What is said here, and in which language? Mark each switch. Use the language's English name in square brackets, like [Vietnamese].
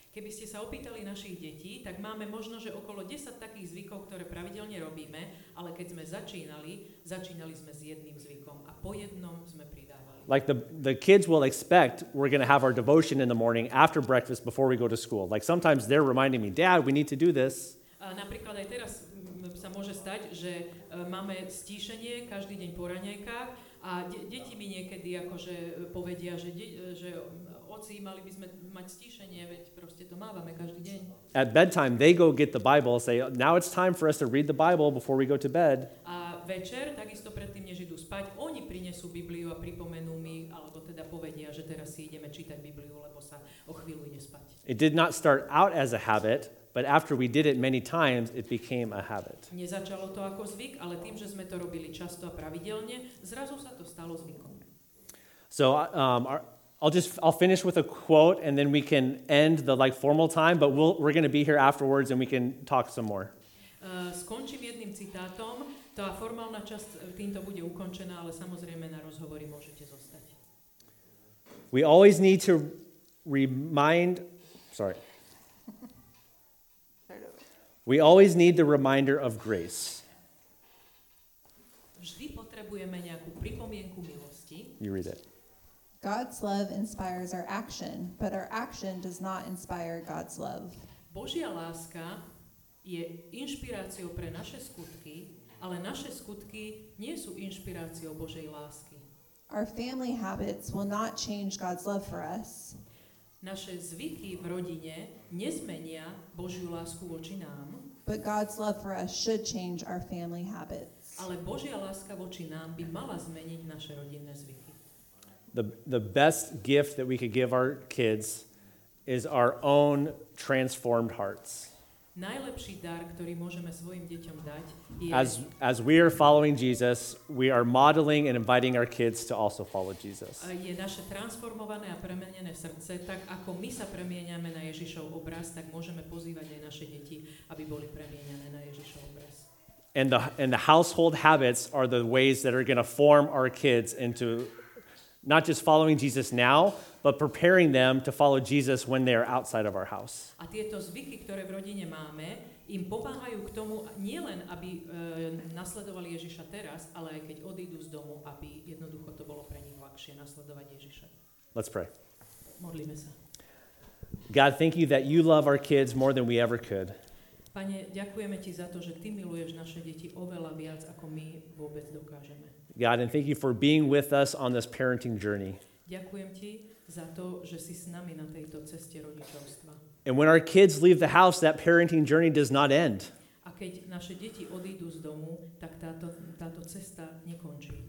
[Slovak] Keby ste sa opýtali našich detí, tak máme možno, že okolo 10 takých zvykov, ktoré pravidelne robíme, ale keď sme začínali sme s jedným zvykom a po jednom sme pridávali. [English] Like the kids will expect we're going to have our devotion in the morning after breakfast before we go to school. Like sometimes they're reminding me, Dad, we need to do this. [Slovak] A napríklad aj teraz sa môže stať, že máme stíšenie každý deň po raňajkách a deti mi niekedy akože povedia, že oci, mali by sme mať stíšenie, veď proste to mávame každý deň. [English] At bedtime, they go get the Bible, say, now it's time for us to read the Bible before we go to bed. [Slovak] A večer, takisto predtým, než idú spať, oni prinesú Bibliu a pripomenú mi, alebo teda povedia, že teraz si ideme čítať Bibliu, lebo sa o chvíľu ide spať. [English] It did not start out as a habit, but after we did it many times, it became a habit. [Slovak] Nezačalo to ako zvyk, ale tým, že sme to robili často a pravidelne, zrazu sa to stalo zvykom. [English] So, I'll finish with a quote and then we can end the like formal time, but we're going to be here afterwards and we can talk some more. [Slovak] Skončím jedným citátom. Tá formálna časť týmto bude ukončená, ale samozrejme na rozhovory môžete zostať. [English] We always need to remind, sorry. We always need the reminder of grace. [Slovak] Vždy potrebujeme nejakú pripomienku milosti. [English] You read it. God's love inspires our action, but our action does not inspire God's love. [Slovak] Božia láska je inšpiráciou pre naše skutky, ale naše skutky nie sú inšpiráciou Božej lásky. [English] Our family habits will not change God's love for us. [Slovak] Naše zvyky v rodine nezmenia Božiu lásku voči nám. [English] But God's love for us should change our family habits. [Slovak] Ale Božia láska voči nám by mala zmeniť naše rodinné zvyky. [English] The best gift that we could give our kids is our own transformed hearts. [Slovak] Najlepší dar, ktorý môžeme svojim deťom dať, je [English] as we are following Jesus, we are modeling and inviting our kids to also follow Jesus. [Slovak] Je naše transformované a premenené srdce, tak ako my sa premieniame na Ježišov obraz, tak môžeme pozývať aj naše deti, aby boli premieniané na Ježišov obraz. [English] And the household habits are the ways that are going to form our kids into not just following Jesus now, but preparing them to follow Jesus when they are outside of our house. [Slovak] A tieto zvyky, ktoré v rodine máme, im pomáhajú k tomu nielen, aby nasledovali Ježiša teraz, ale aj keď odídu z domu, aby jednoducho to bolo pre nich ľahšie nasledovať Ježiša. [English] Let's pray. [Slovak] Modlíme sa. [English] God, thank you that you love our kids more than we ever could. [Slovak] Pane, ďakujeme ti za to, že ty miluješ naše deti oveľa viac, ako my vôbec dokážeme. [English] God, and thank you for being with us on this parenting journey. [Slovak] Ďakujem ti za to, že si s nami na tejto ceste rodičovstva. [English] And when our kids leave the house, that parenting journey does not end. [Slovak] A keď naše deti odídu z domu, tak táto cesta nekončí.